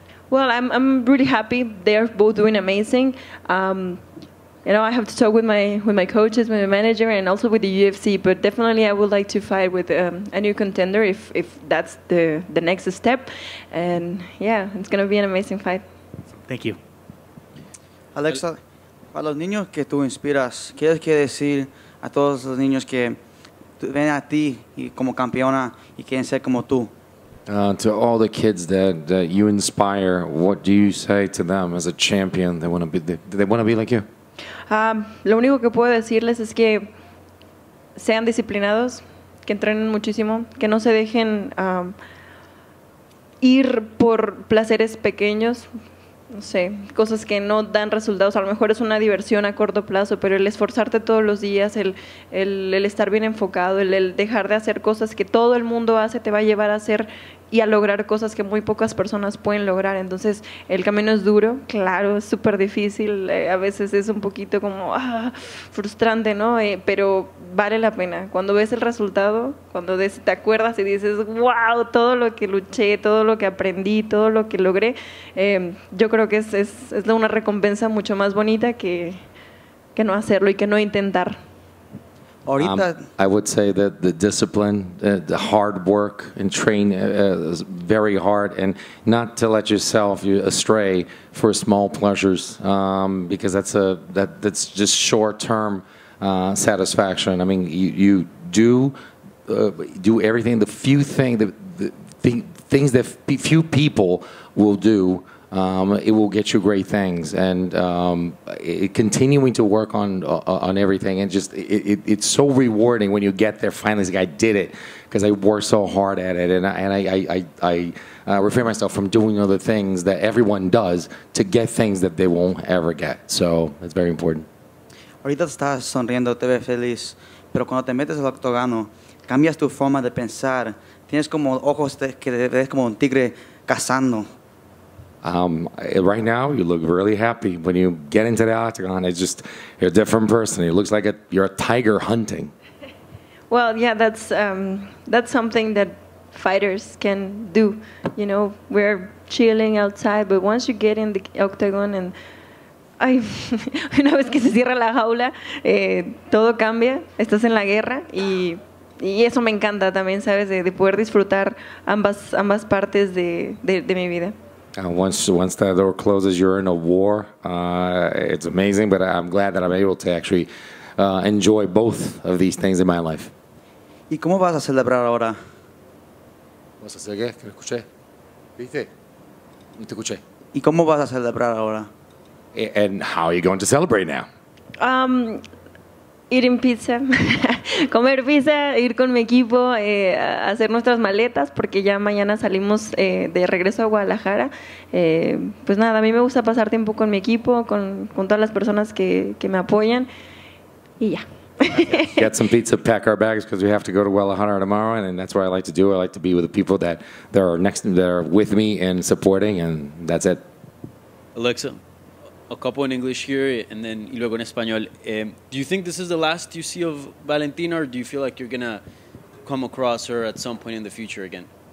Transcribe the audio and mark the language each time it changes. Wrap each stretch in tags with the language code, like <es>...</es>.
<en>Well, I'm really happy. They're both doing amazing. You know, I have to talk with my coaches, with my manager, and also with the UFC. But definitely, I would like to fight with a new contender if that's the next step. And yeah, it's going to be an amazing fight. Thank you, Alexa.</en> <es>A los niños que tú inspiras, ¿qué es que decir a todos los niños que ven a ti y como campeona y quieren ser como tú?</es> <en>To all the kids that you inspire, what do you say to them as a champion? They want to be like you.</en> <es>Lo único que puedo decirles es que sean disciplinados, que entrenen muchísimo, que no se dejen ir por placeres pequeños, no sé, cosas que no dan resultados. A lo mejor es una diversión a corto plazo, pero el esforzarte todos los días, el estar bien enfocado, el dejar de hacer cosas que todo el mundo hace, te va a llevar a hacer y a lograr cosas que muy pocas personas pueden lograr. Entonces, el camino es duro, claro, es súper difícil, a veces es un poquito como frustrante, ¿no? Pero vale la pena. Cuando ves el resultado, cuando te acuerdas y dices, wow, todo lo que luché, todo lo que aprendí, todo lo que logré, yo creo que es una recompensa mucho más bonita que no hacerlo y que no intentar.</es> <en>I would say that the discipline, the hard work, and train is very hard, and not to let yourself astray for small pleasures, because that's just short-term satisfaction. I mean, you do everything, the few things that few people will do. It will get you great things, and continuing to work on everything, and just it's so rewarding when you get there. Finally, like, I did it, because I worked so hard at it, and I refrain myself from doing other things that everyone does to get things that they won't ever get. So it's very important.</en> <es>Ahorita estás sonriendo, te ves feliz, pero cuando te metes al octógono, cambias tu forma de pensar. Tienes como ojos que te ves como un tigre cazando.</es> <en>Right now, you look really happy. When you get into the octagon, it's just, you're a different person. It looks like you're a tiger hunting. Well, yeah, that's something that fighters can do. You know, we're chilling outside, but once you get in the octagon and</en> <es>una vez que se cierra la jaula, todo cambia. Estás en la guerra y eso me encanta también, sabes, de poder disfrutar ambas partes de mi vida.</es> <en>Once that door closes, you're in a war. It's amazing, but I'm glad that I'm able to actually enjoy both of these things in my life.</en> <es>¿Y cómo vas a celebrar ahora? ¿Vas a hacer qué? ¿Qué escuché? ¿Viste? No te escuché. ¿Y cómo vas a celebrar ahora?</es> <en>And how are you going to celebrate now? Eating pizza.</en> <es>Comer pizza, ir con mi equipo, hacer nuestras maletas, porque ya mañana salimos de regreso a Guadalajara. Pues nada, a mí me gusta pasar tiempo con mi equipo, con todas las personas que me apoyan, y ya.</es> <en>Okay. Get some pizza, pack our bags, because we have to go to Guadalajara tomorrow, and that's what I like to do. I like to be with the people that are with me and supporting, and that's it. Alexa, a couple in English here, and then</en> <es>y luego en español.</es> <en>Do you think this is the last you see of Valentina, or do you feel like you're going to come across her at some point in the future again?</en>